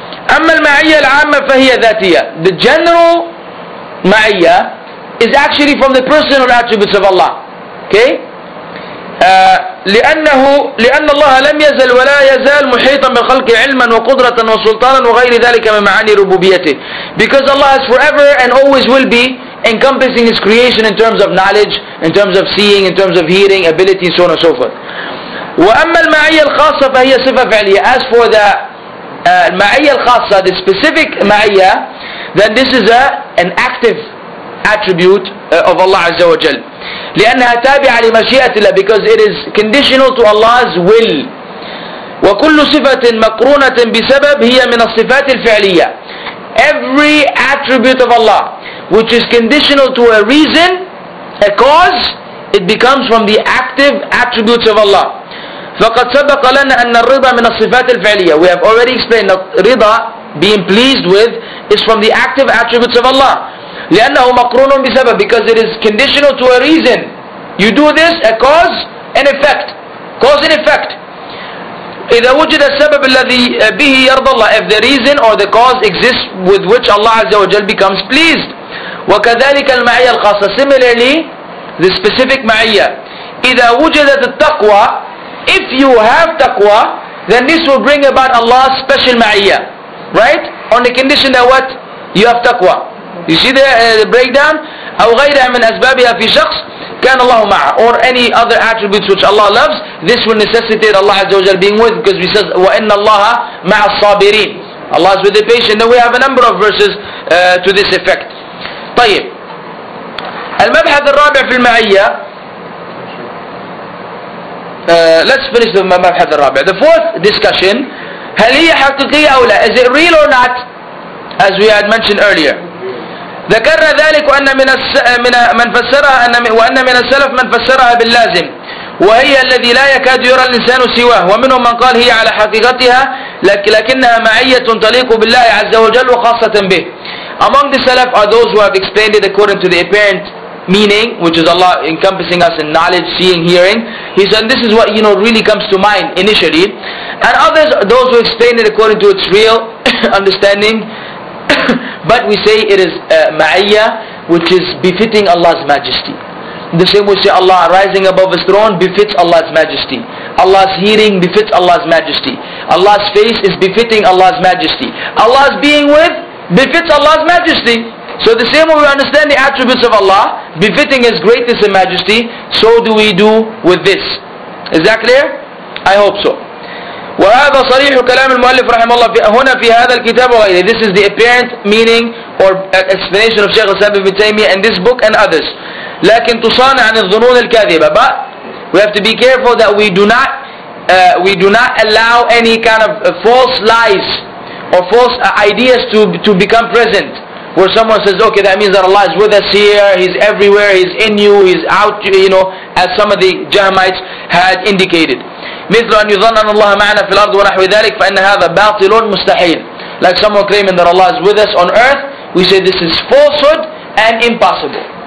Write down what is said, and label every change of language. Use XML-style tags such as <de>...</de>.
<ar>أما المعية العامة فهي ذاتية.</ar> <en>The general معية is actually from the personal attributes of Allah. Okay?</en> <ar>لأن الله لم يزل ولا يزال محيطا بخلق علما وقدرة وسلطانا وغير ذلك من معاني ربوبيته.</ar> <en>Because Allah is forever and always will be encompassing His creation in terms of knowledge, in terms of seeing, in terms of hearing, ability, so on and so forth.</en> <ar>وأما المعية الخاصة فهي صفة فعلية.</ar> <en>As for the المعية الخاصة, the specific معية, then this is an active attribute of Allah عز وجل.</en> <ar>لأنها تابعة لمشيئة الله,</ar> <en>because it is conditional to Allah's will.</en> <ar>وكل صفة مقرونة بسبب هي من الصفات الفعلية.</ar> <en>Every attribute of Allah which is conditional to a reason, a cause, it becomes from the active attributes of Allah.</en> <ar>فقد سبق لنا أن الرضا من الصفات الفعلية.</ar> <en>We have already explained that رضا, being pleased with, is from the active attributes of Allah.</en> <ar>لأنه مقرون بسبب,</ar> <en>because it is conditional to a reason. You do this, a cause and effect. Cause and effect.</en> <ar>إذا وجد السبب الذي به يرضى الله,</ar> <en>if the reason or the cause exists with which Allah عز وجل becomes pleased.</en> <ar>وكذلك المعية الخاصة.</ar> <en>Similarly, the specific معية.</en> <ar>إذا وجدت التقوى,</ar> <en>if you have taqwa, then this will bring about Allah's special ma'iyah. Right? On the condition that what? You have taqwa. You see the breakdown?</en> <ar>أو غيرها من أسبابها في شخص كان الله معه.</ar> <en>Or any other attributes which Allah loves, this will necessitate Allah عز وجل being with, because he says,</en> <ar>وَإِنَّ اللَّهَ مَعَ الصَّابِرِينَ.</ar> <en>Allah is with the patient. Now we have a number of verses to this effect.</en> <ar>طيب. المبحث الرابع في المعية.</ar> <en>Let's finish the</en> <ar>مبحث الرابع.</ar> <en>The fourth discussion,</en> <ar>هل هي حقيقية أو لا?</ar> <en>Is it real or not? As we had mentioned earlier.</en> <ar>ذكر ذلك وأن من فسرها وأن من السلف من فسرها باللازم وهي الذي لا يكاد يرى الإنسان سواه, ومنهم من قال هي على حقيقتها لكنها معية تليق بالله عز وجل وخاصة به.</ar> <en>Among the Salaf are those who have explained it according to the apparent meaning, which is Allah encompassing us in knowledge, seeing, hearing. He said this is what, you know, really comes to mind initially. And others, those who explain it according to its real understanding, but we say it is ma'iyya, which is befitting Allah's majesty. The same we say Allah rising above His throne befits Allah's majesty. Allah's hearing befits Allah's majesty. Allah's face is befitting Allah's majesty. Allah's being with befits Allah's majesty. So the same way we understand the attributes of Allah befitting His greatness and majesty, so do we do with this. Is that clear? I hope so.</en> <ar>وهذا صريح كلام المؤلف رحمه الله هنا في هذا الكتاب وغيره.</ar> <en>This is the apparent meaning or explanation of Shaykh Al-Sabi ibn Taymiyyah and this book and others.</en> <ar>لكن تصانع عن الظنون الكاذبة.</ar> <en>But we have to be careful that we do not allow any kind of false lies or false ideas to become present. Where someone says, okay, that means that Allah is with us here, He's everywhere, He's in you, He's out, you know, as some of the Jahmites had indicated.</en> <ar>مثل أن يظن أن الله معنا في الأرض ونحو ذلك فإن هذا باطل مستحيل.</ar> <en>Like someone claiming that Allah is with us on earth, we say this is falsehood and impossible.</en>